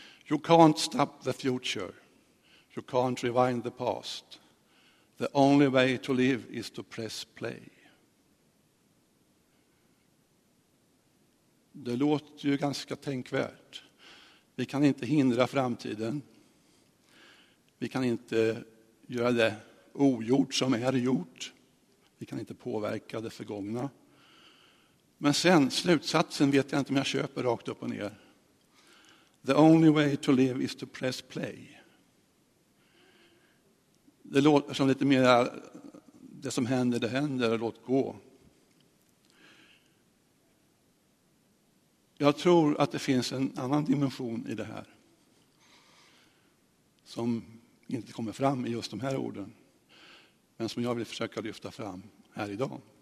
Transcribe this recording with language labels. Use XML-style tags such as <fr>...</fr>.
<en>You can't stop the future. You can't rewind the past. The only way to live is to press play.</en> <sv>Det låter ju ganska tänkvärt. Vi kan inte hindra framtiden. Vi kan inte göra det ogjort som är gjort. Vi kan inte påverka det förgångna. Men sen, slutsatsen vet jag inte om jag köper rakt upp och ner.</sv> <en>The only way to live is to press play.</en> <sv>Det låter som lite mer det som händer, det händer, låt gå. Jag tror att det finns en annan dimension i det här som inte kommer fram i just de här orden, men som jag vill försöka lyfta fram här idag.</sv>